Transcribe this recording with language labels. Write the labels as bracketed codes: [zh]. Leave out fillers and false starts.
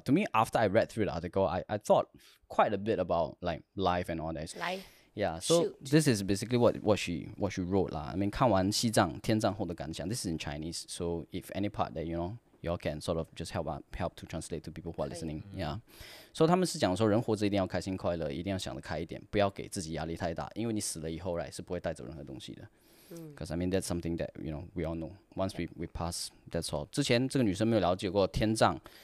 [en] To me, after I read through the article, I thought quite a bit about like life and all that. Life. Yeah, so this is basically what she wrote lah. I mean, [zh] 看完西藏天葬后的感想. [en] This is in Chinese, so if any part that you know, you all can sort of just help to translate to people who are listening. [zh] Yeah, so 他们是讲说，人活着一定要开心快乐，一定要想得开一点，不要给自己压力太大，因为你死了以后 right, 是不会带走任何东西的. [en] Because I mean that's something that you know we all know. Once we pass, that's all. [zh] 之前这个女生没有了解过天葬。